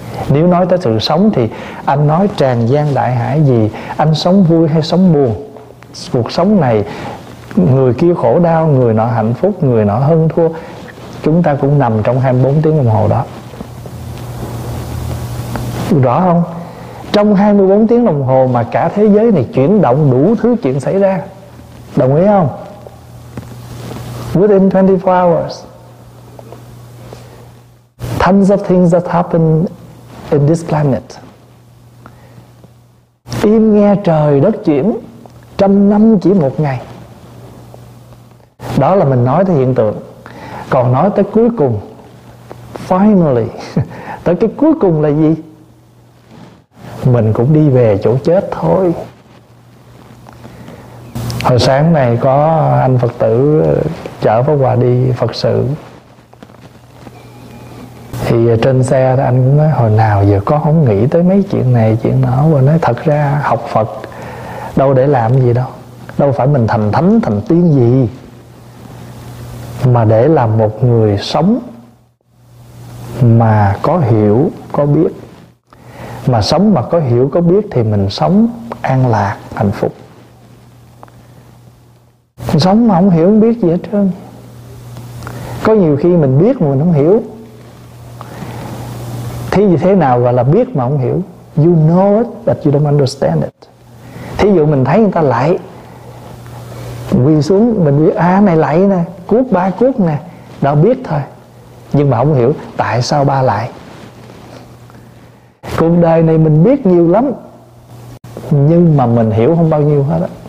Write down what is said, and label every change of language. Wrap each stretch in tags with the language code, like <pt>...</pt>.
<vi>Nếu nói tới sự sống thì anh nói tràn gian đại hải gì, anh sống vui hay sống buồn, cuộc sống này người kia khổ đau, người nọ hạnh phúc, người nọ hơn thua, chúng ta cũng nằm trong 24 tiếng đồng hồ đó. Rõ không? Trong 24 tiếng đồng hồ mà cả thế giới này chuyển động đủ thứ chuyện xảy ra. Đồng ý không?</vi> <en>Within 24 hours, tons of things that happen in this planet.</en> <vi>Im nghe trời đất chuyển, trăm năm chỉ một ngày. Đó là mình nói tới hiện tượng. Còn nói tới cuối cùng, finally, tới cái cuối cùng là gì? Mình cũng đi về chỗ chết thôi. Hồi sáng này có anh Phật tử chở Pháp Hòa đi Phật sự. Thì trên xe anh cũng nói, hồi nào giờ con không nghĩ tới mấy chuyện này chuyện nọ. Và nói thật ra học Phật đâu để làm gì đâu, đâu phải mình thành thánh thành tiên gì, mà để làm một người sống mà có hiểu có biết. Mà sống mà có hiểu có biết thì mình sống an lạc hạnh phúc. Sống mà không hiểu không biết gì hết trơn. Có nhiều khi mình biết mà mình không hiểu. Thí dụ thế nào gọi là biết mà không hiểu?</vi> <en>You know it but you don't understand it.</en> <vi>Thí dụ mình thấy người ta lạy, quỳ xuống mình biết, à này lạy nè, cuốc ba cuốc nè, đó biết thôi. Nhưng mà không hiểu tại sao ba lạy. Cuộc đời này mình biết nhiều lắm, nhưng mà mình hiểu không bao nhiêu hết á.</vi>